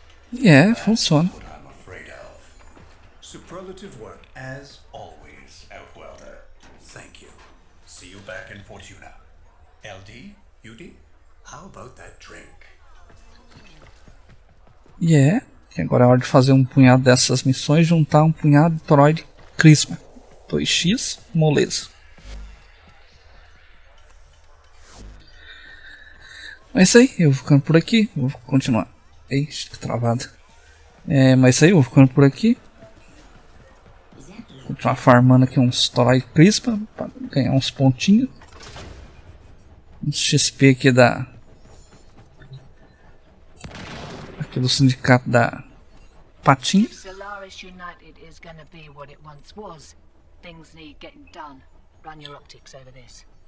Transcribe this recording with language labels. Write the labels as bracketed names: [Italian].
[English] Yeah, funciona. That's what I'm afraid of. Superlative work as always, Outworlder. Thank you. See you back in Fortuna. LD, UD, how about that drink? [Portuguese] Yeah, e agora é hora de fazer um punhado dessas missões, juntar um punhado de Troid Crisma. 2x, moleza. Mas é isso aí, eu vou ficando por aqui, vou continuar. Ei, que travado. É, mas é isso aí, eu vou ficando por aqui. Vou continuar farmando aqui uns Toroid Crisma para ganhar uns pontinhos. Uns XP aqui da. Aqui do sindicato da Patinha. [English] Se Solaris United is gonna be what it once was, things need getting done. Run your optics over this.